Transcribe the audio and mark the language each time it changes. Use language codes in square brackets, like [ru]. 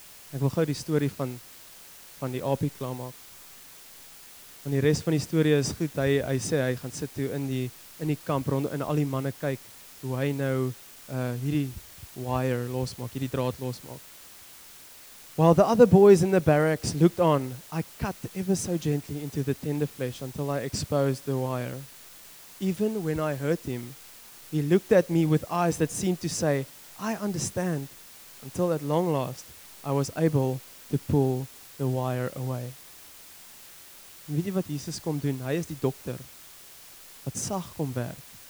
[af] Ek wil gou die storie van die aapie klaarmaak. Want die res van die storie is goed. Hy sê hy gaan sit toe in die kamp rond en al die manne kyk hoe hy nou hierdie wire losmaak, hierdie draad losmaak. [en] While the other boys in the barracks looked on, I cut ever so gently into the tender flesh until I exposed the wire. Even when I hurt him, he looked at me with eyes that seemed to say, I understand, until at long last I was able to pull the wire away. [af] En weet jy wat Jesus kom doen? Hy is die dokter wat sag kom werk.